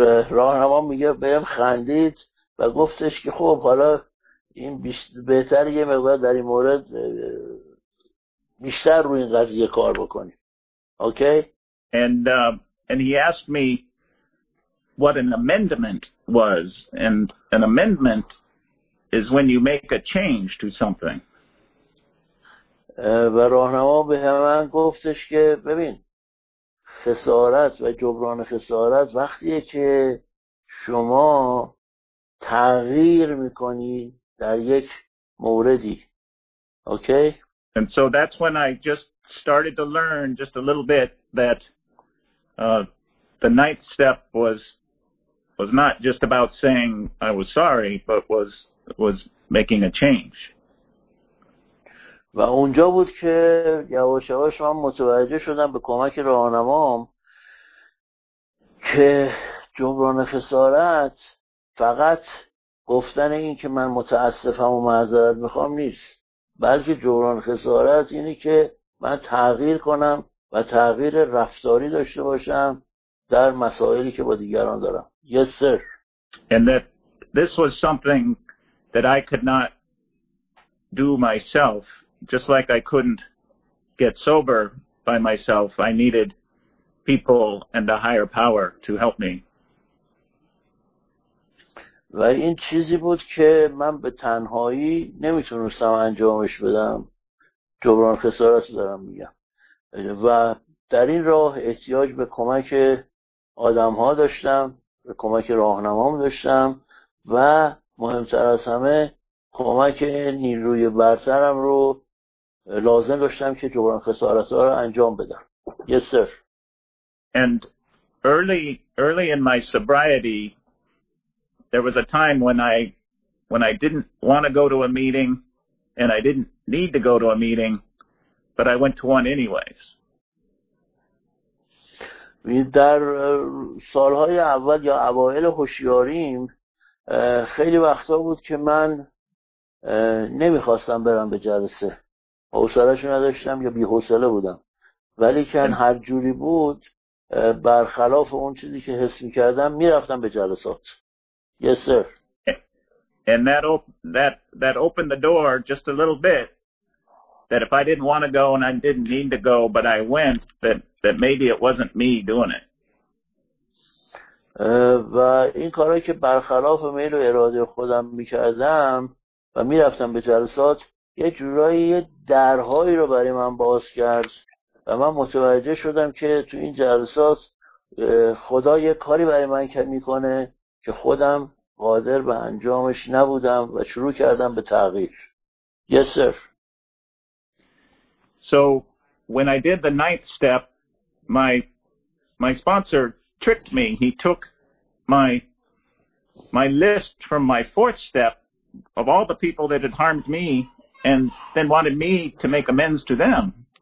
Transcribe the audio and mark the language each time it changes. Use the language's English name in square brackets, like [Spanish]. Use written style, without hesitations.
[Persian] راهنما میگه بهم خندید و گفتش که خب حالا این بهتر یه مقدار در این مورد بیشتر روی این قضیه کار بکنیم. [English] Okay. And he asked me what an amendment was, and an amendment is when you make a change to something. [Persian] و راهنما به من گفتش که ببین خسارت و جبران خسارت وقتیه که شما تغییر میکنی در یک موردی. [English] Okay? And so that's when I just started to learn just a little bit that the ninth step was not just about saying I was sorry, but was making a change. [Persian] و اونجا بود که یواش یواش من متوجه شدم به کمک راهنمام که جبران خسارت فقط گفتن این که من متاسفم و معذرت میخوام نیست، بلکه جبران خسارت اینه که من تغییر کنم و تغییر رفتاری داشته باشم در مسائلی که با دیگران دارم. [English] Yes, sir. And that this was something that I could not do myself. Just like I couldn't get sober by myself, I needed people and a higher power to help me. [Persian] و این چیزی بود که من به تنهایی نمیتونستم انجامش بدم. جبران خسارت دارم میگم. و در این راه احتیاج به کمک آدم‌ها داشتم، به کمک راهنمام داشتم و مهمتر از همه کمک نیروی برترم رو لازم داشتم که جبران خسارت رو انجام بدم. [English] Yes, sir. And early in my sobriety, there was a time when I didn't want to go to a meeting and I didn't need to go to a meeting, but I went to one anyways. [Persian] در سالهای اول یا اوائل هوشیاریم خیلی وقتا بود که من نمیخواستم برم به جلسه، حوصله‌شو نداشتم یا بی‌حوصله بودم، ولی که هر جوری بود برخلاف اون چیزی که حس می‌کردم می‌رفتم به جلسات. [English] Yes, sir. And that opened the door just a little bit that if I didn't want to go and I didn't need to go but I went, that maybe it wasn't me doing it. [Persian] و این کاری که برخلاف میل و اراده خودم می‌کردم و می‌رفتم به جلسات یه جورایی درهایی رو برای من باز کرد و من متوجه شدم که تو این جلسات خدا یه کاری برای من میکنه که خودم قادر به انجامش نبودم و شروع کردم به تغییر. [English] Yes, sir. So when I did the ninth step, my sponsor tricked me. He took my list from my fourth step of all the people that had harmed me and then wanted me to make amends to them.